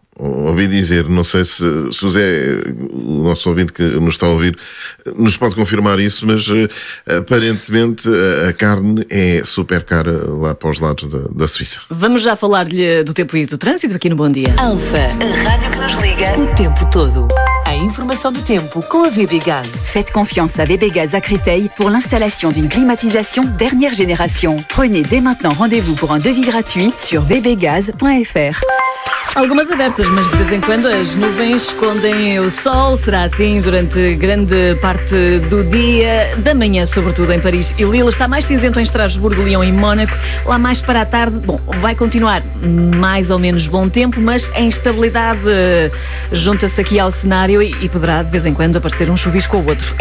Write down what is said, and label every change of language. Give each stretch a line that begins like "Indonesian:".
Portuguese: Ouvi dizer, não sei se o Zé, o nosso ouvinte que nos está a ouvir, nos pode confirmar isso, mas aparentemente a carne é super cara lá para os lados da Suíça. Vamos já falar-lhe do tempo e do trânsito aqui no Bom Dia. Alfa, a rádio que nos liga o tempo todo. A informação do tempo com a VB Gaz.
French: Faites confiance à VB Gaz à Créteil pour l'installation d'une climatisation dernière génération. Prenez dès maintenant rendez-vous pour un devis gratuit sur vbgaz.fr.
Portuguese: Algumas abertas, mas de vez em quando as nuvens escondem o sol. Será assim durante grande parte do dia, da manhã sobretudo em Paris e Lille. Está mais cinzento em Estrasburgo, Lyon e Mónaco. Lá mais para a tarde, bom, vai continuar mais ou menos bom tempo, mas a instabilidade junta-se aqui ao cenário e poderá de vez em quando aparecer um chuvisco ou outro.